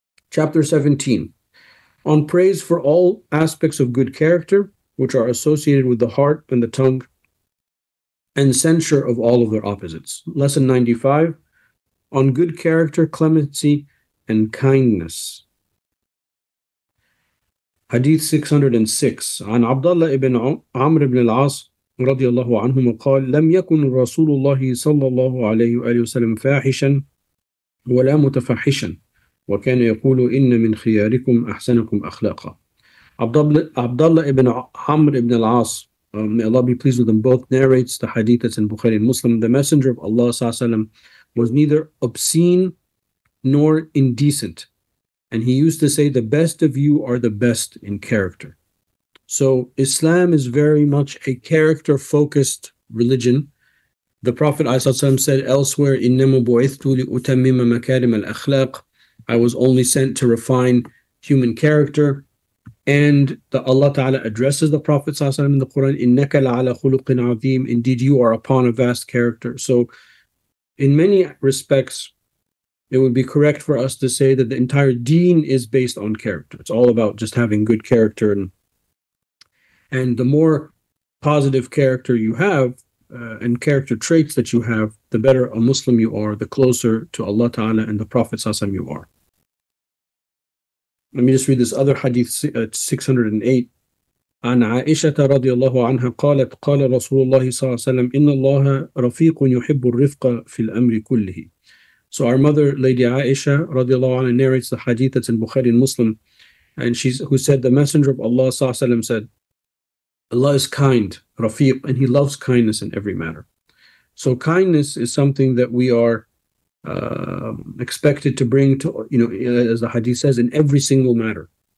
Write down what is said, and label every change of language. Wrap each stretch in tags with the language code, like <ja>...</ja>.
<en>Chapter 17, on praise for all aspects of good character, which are associated with the heart and the tongue, and censure of all of their opposites. Lesson 95, on good character, clemency, and kindness. Hadith 606,</en> <ar>عن عبد الله بن عمر بن العاص رضي الله عنهما قال لم يكن رسول الله صلى الله عليه وآله وسلم فاحشا ولا متفحشا وكان يقول إن من خياركم أحسنكم أخلاقا.</ar> <en>عبد الله بن عمر بن العاص, may Allah be pleased with them both, narrates the hadith that's in Bukhari and Muslim. The Messenger of Allah sallallahu alaihi wasallam was neither obscene nor indecent. And he used to say, the best of you are the best in character. So Islam is very much a character-focused religion. The Prophet sallallahu alaihi wasallam said elsewhere,</en> <ar>إِنَّمَا بُعِثْتُ لِأُتَمِّمَ مَكَارِمَ الْأَخْلَاقِ,</ar> <en>I was only sent to refine human character. And the Allah Ta'ala addresses the Prophet ﷺ in the Quran,</en> <ar>إِنَّكَ لَعَلَى خُلُقٍ عَظِيمٍ,</ar> <en>indeed you are upon a vast character. So in many respects, it would be correct for us to say that the entire deen is based on character. It's all about just having good character. And the more positive character you have and character traits that you have, the better a Muslim you are, the closer to Allah Ta'ala and the Prophet ﷺ you are. Let me just read this other hadith, 608.</en> <ar>عن عائشة رضي الله عنها قالت قال رسول الله صلى الله عليه وسلم إن الله رفيق يحب الرفق في الأمر كله.</ar> <en>So our mother, Lady Aisha رضي الله عنها, narrates the hadith that's in Bukhari and Muslim, and she's who said the Messenger of Allah صلى الله عليه وسلم said, Allah is kind, رفيق, and He loves kindness in every matter. So kindness is something that we are expected to bring to, as the hadith says, in every single matter.</en>